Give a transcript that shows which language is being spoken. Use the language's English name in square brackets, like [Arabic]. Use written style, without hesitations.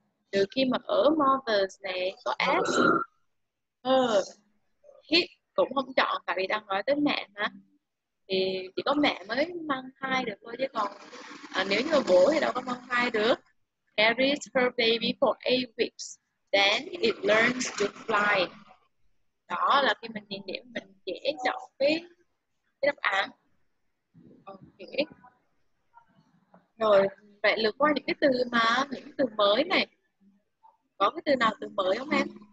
[Vietnamese] Từ khi mà ở mothers này có s, he cũng không chọn tại vì đang nói tới mẹ mà thì chỉ có mẹ mới mang thai được thôi chứ còn nếu như là bố thì đâu có mang thai được. [English] Carries her baby for 8 weeks, then it learns to fly. [Vietnamese] Đó là khi mình nhìn điểm mình dễ chọn cái đáp án. Ok. Rồi vậy lượt qua những cái từ mà những cái từ mới này. Có cái từ nào từ mới không em?